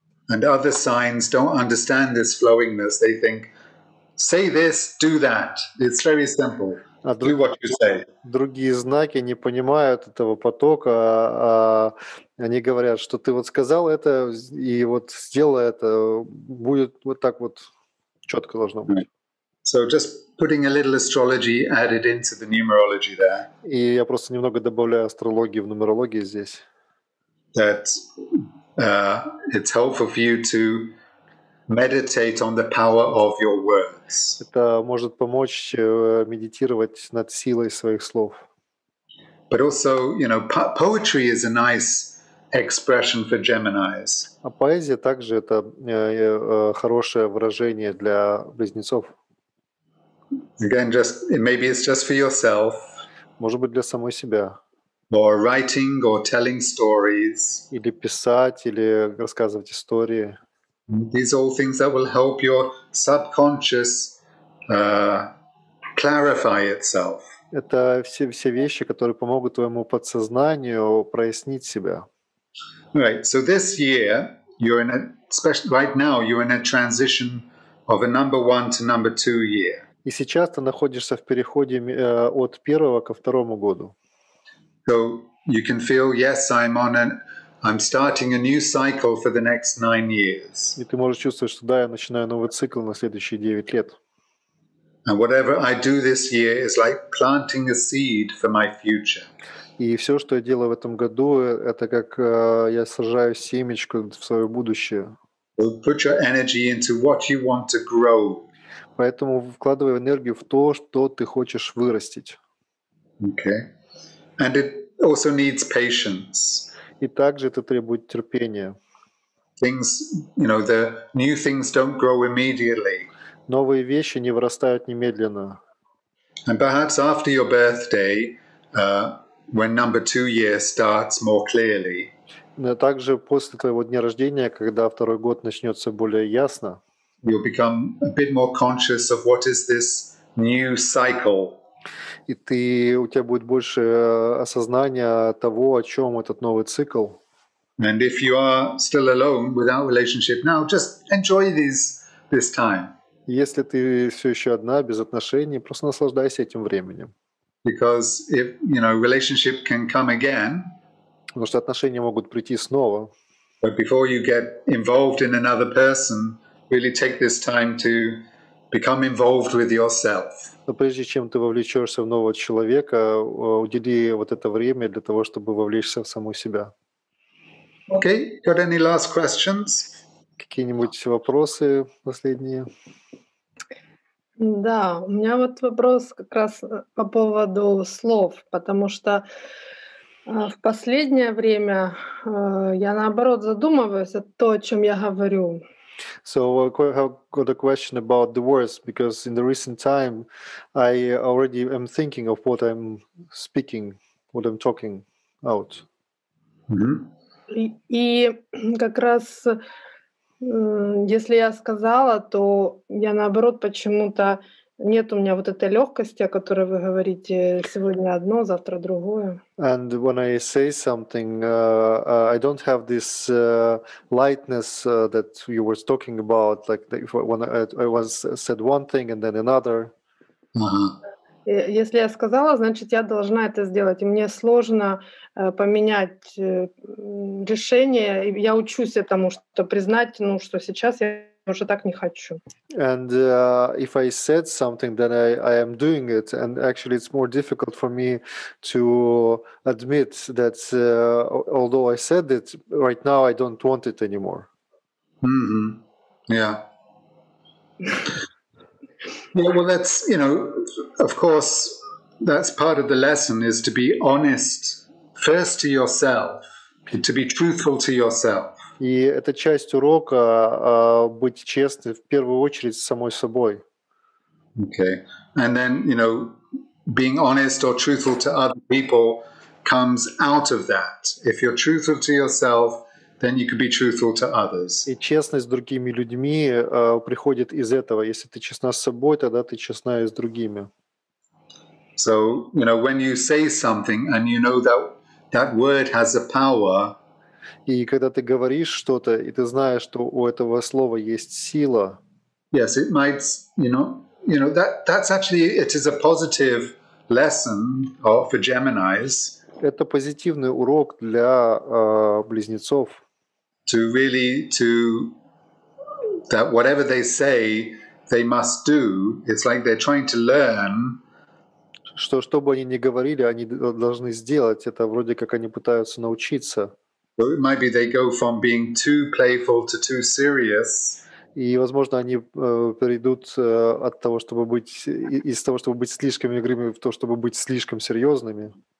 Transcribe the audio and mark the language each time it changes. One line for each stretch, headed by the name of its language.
English: And other signs don't understand this flowingness. They think, say this, do that. It's very simple. Do what you say.
Russian: Другие знаки не понимают этого потока, а они говорят, что ты вот сказал это и вот сделал это, будет вот так вот. Четко должно быть.
English: So just putting a little astrology added into the numerology there.
Russian: И я просто немного добавляю астрологии в нумерологии здесь.
English: That it's helpful for you to meditate on the power of your words.
Russian: Это может помочь медитировать над силой своих слов.
English: But also, you know, poetry is a nice expression for Geminis.
Russian: А поэзия также это хорошее выражение для близнецов.
English: Again, just maybe it's just for yourself.
Russian: Может быть для самой себя.
English: Or writing or telling stories.
Russian: Или писать, или рассказывать истории.
English: These are all things that will help your subconscious clarify itself.
Russian: Это все вещи, которые помогут твоему подсознанию прояснить себя.
English: Right. So this year you're in a special. Right now you're in a transition of a number one to number two year.
Russian: И сейчас ты находишься в переходе от первого ко второму году.
English: So you can feel, yes, I'm starting a new cycle for the next 9 years.
Russian: И ты можешь чувствовать, что да, я начинаю новый цикл на следующие 9 лет.
English: And whatever I do this year is like planting a seed for my future.
Russian: И все, что я делаю в этом году, это как я сажаю семечко в свое будущее.
English: Put your energy into what you want to grow.
Russian: Поэтому вкладывай энергию в то, что ты хочешь вырастить.
English: Okay. And it also needs patience.
Russian: И также это требует терпения.
English: Things, you know, the new things don't grow immediately.
Russian: Новые вещи не вырастают немедленно.
English: And perhaps after your birthday, when number two year starts more clearly.
Russian: Но также после твоего дня рождения, когда второй год начнется более ясно,
English: you'll become a bit more conscious of what is this new cycle.
Russian: И у тебя будет больше осознания того, о чем этот новый цикл.
English: And if you are still alone without relationship now, just enjoy this time.
Russian: Если ты все еще одна без отношений, просто наслаждайся этим временем.
English: Because if, you know, relationship can come again.
Russian: Потому что отношения могут прийти снова.
English: But before you get involved in another person, really take this time to Become involved with yourself.
Russian: Но прежде чем ты вовлечешься в нового человека, удели вот это время для того, чтобы вовлечься в саму себя.
English: Okay, got any last questions?
Russian: Какие-нибудь вопросы последние? Да, у меня вот вопрос как раз по поводу слов, потому что в последнее время я наоборот задумываюсь о том, о чём я говорю.
English: So I got a question about the words, because in the recent time I already am thinking of what I'm speaking, what I'm talking out.
Russian: И как раз если я сказала, то я наоборот почему-то нет у меня вот этой легкости, о которой вы говорите, сегодня одно, завтра другое.
English: And when I say something, I don't have this lightness that you were talking about, like if when I was said one thing and then another.
Russian: Если я сказала, значит, я должна это сделать. И мне сложно поменять решение. Я учусь этому, что признать, ну, что сейчас я уже так не хочу.
English: And if I said something, then I am doing it. And actually, it's more difficult for me to admit that although I said it, right now I don't want it anymore. Mm-hmm. Yeah. Yeah, well, that's, you know, of course, that's part of the lesson is to be honest first to yourself, to be truthful to yourself.
Russian: И это часть урока быть честным в первую очередь с самой собой.
English: Okay, and then, you know, being honest or truthful to other people comes out of that. If you're truthful to yourself, then you could be truthful to others.
Russian: И честность с другими людьми приходит из этого. Если ты честна с собой, тогда ты честна и с другими.
English: So, you know, when you say something and you know that word has a power.
Russian: И когда ты говоришь что-то, и ты знаешь, что у этого слова есть сила.
English: Yes, it might, you know, that's actually, it is a positive lesson for Geminis.
Russian: Это позитивный урок для близнецов.
English: To really to that whatever they say they must do, it's like they're trying to learn.
Russian: Что бы они ни говорили, они должны сделать. Это вроде как они пытаются научиться.
English: So it might be they go from being too playful to too serious.
Russian: И, возможно, они перейдут от того, чтобы быть из того, чтобы быть слишком игривыми, в то, чтобы быть слишком серьезными.